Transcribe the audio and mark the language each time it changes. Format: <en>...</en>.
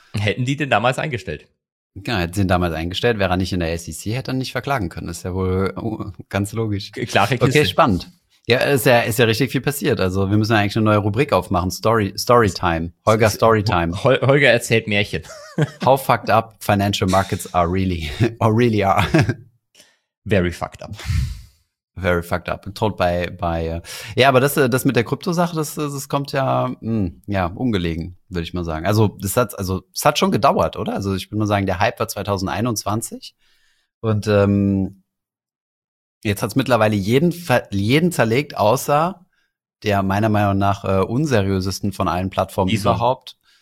<de>Hätten die denn damals eingestellt? Ja, hätten sie ihn damals eingestellt, wäre er nicht in der SEC, hätte er nicht verklagen können. Das ist ja wohl ganz logisch. Klare Kiste. Okay, spannend. Ja, ist ja richtig viel passiert. Also wir müssen ja eigentlich eine neue Rubrik aufmachen. Storytime. Holger Storytime. Holger erzählt Märchen.</de> <en>How fucked up financial markets are really. Or really are. Very fucked up. Very fucked up. Told by</en> <de>ja, aber das mit der Krypto-Sache, das kommt ja ungelegen, würde ich mal sagen. Also es hat schon gedauert, oder? Also ich würde mal sagen, der Hype war 2021 und jetzt hat's mittlerweile jeden zerlegt, außer der meiner Meinung nach unseriösesten von allen Plattformen überhaupt.</de>